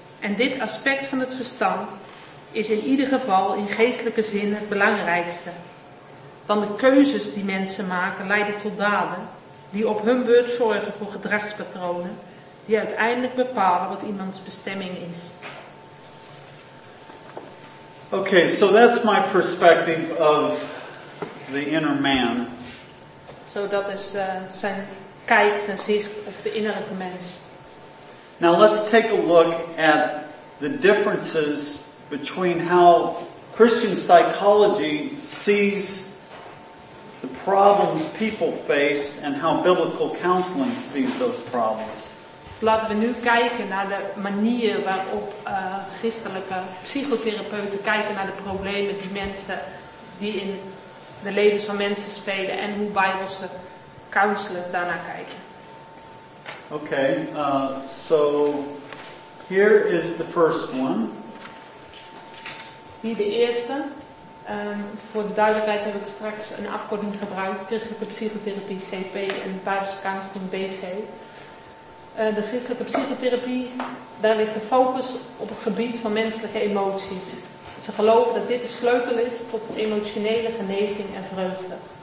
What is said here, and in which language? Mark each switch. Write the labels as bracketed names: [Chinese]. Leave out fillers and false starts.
[Dutch] En dit aspect van het verstand is in ieder geval in geestelijke zin het belangrijkste. Want de keuzes die mensen maken leiden tot daden die op hun beurt zorgen voor gedragspatronen die uiteindelijk bepalen wat iemands bestemming is. [English] Okay, so that's my perspective of the inner man. [Dutch] So dat is zijn kijk, zijn zicht op de innerlijke mens. [English] Now let's take a look at the differences between how Christian psychology sees the problems people face and how biblical counseling sees those problems. [Dutch] Laten we nu kijken naar de manier waarop christelijke psychotherapeuten kijken naar de problemen die mensen die in de levens van mensen spelen en hoe Bijbelse counselors daarnaar kijken. [English] Okay, so here is the first one. [Dutch] Hier de eerste. Voor de duidelijkheid heb ik straks een afkorting gebruikt. Christelijke psychotherapie CP en Bijbelse counseling BC. De christelijke psychotherapie, daar ligt de focus op het gebied van menselijke emoties. Ze geloven dat dit de sleutel is tot emotionele genezing en vreugde.